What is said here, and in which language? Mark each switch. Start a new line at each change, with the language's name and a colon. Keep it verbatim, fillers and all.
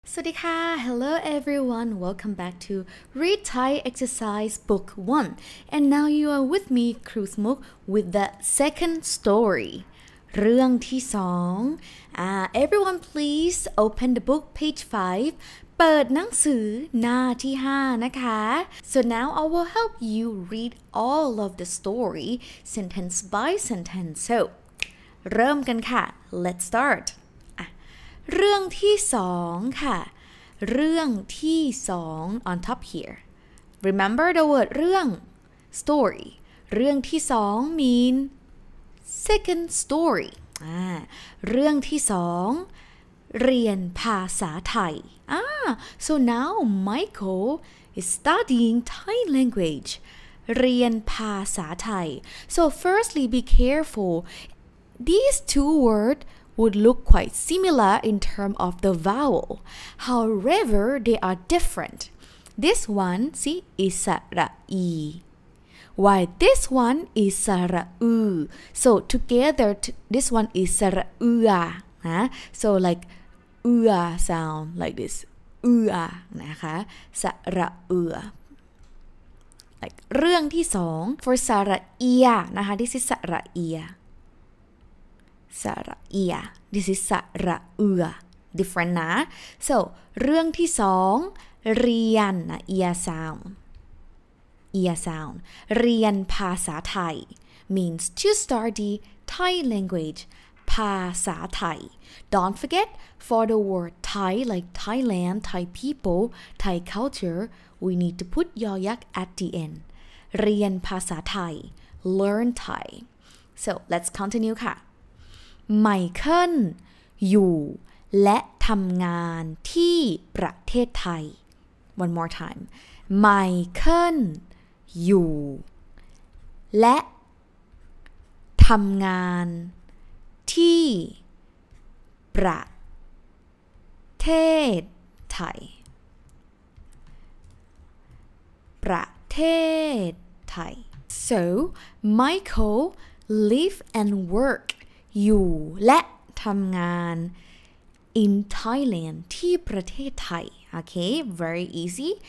Thai: สวัสดีค่ะ
English: Hello everyone, welcome back to Read Thai Exercise Book one, and now you are with me, Kru Smuk, with the second story.
Thai: เรื่องที่สอง
English: uh, Everyone please open the book page five.
Thai: เปิดหนังสือหน้าที่ห้า นะคะ
English: So now I will help you read all of the story sentence by sentence. So
Thai: เริ่มกันค่ะ
English: Let's start.
Thai: เรื่องที่สองค่ะ เรื่องที่สอง
English: on top here. Remember the word เรื่อง story.
Thai: เรื่องที่สอง
English: mean second story.
Thai: อ่า เรื่องที่สอง เรียนภาษาไทย
English: ah, So now Michael is studying Thai language.
Thai: เรียนภาษาไทย
English: So firstly, be careful. These two words would look quite similar in terms of the vowel. However, they are different. This one, see, is isara'i. Why this one is sara'u. So together, t- this one is sara'ua. Huh? So like ua sound like this. Ua, นะคะ sara'ua. Like
Thai: เรื่องที่สอง
English: for sara'ia นะคะ this is sara'ia. Sara'ia. This is sara'ua. Different นะ So
Thai: เรื่องที่สอง เรียน นะ
English: ia sound. ia sound.
Thai: เรียนภาษาไทย
English: means to study Thai language.
Thai: ภาษาไทย
English: Don't forget for the word Thai like Thailand, Thai people, Thai culture, we need to put yoyak at the end.
Thai: เรียนภาษาไทย
English: learn Thai. So let's continue
Thai: ค่ะ Michael อยู่และทำงานที่ประเทศไทย
English: One more time.
Thai: Michael อยู่และทำงาน ที่ประเทศไทย ประเทศไทย
English: So Michael live and work
Thai: อยู่และทำงาน
English: in Thailand
Thai: ที่ประเทศไทย
English: Okay, very easy.